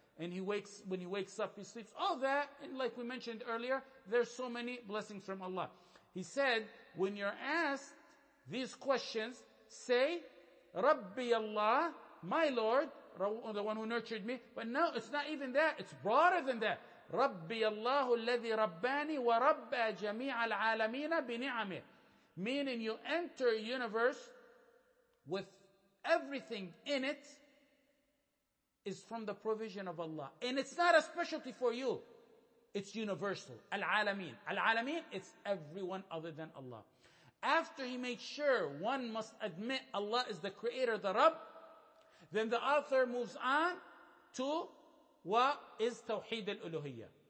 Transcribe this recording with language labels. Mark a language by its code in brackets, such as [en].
[en] And when he wakes up, he sleeps. All that, and like we mentioned earlier, there's so many blessings from Allah. He said, when you're asked these questions, say, Rabbi Allah, my Lord, the one who nurtured me. But no, it's not even that. It's broader than that. [ar] Rabbi Allah, الذي ربّاني وربّى جميع العالمين بنعمه. [en] Meaning you enter a universe with everything in it is from the provision of Allah. And it's not a specialty for you. It's universal. Al-alameen. Al-alameen, it's everyone other than Allah. After he made sure one must admit Allah is the creator, the Rabb, then the author moves on to what is Tawheed al-Uluhiyya.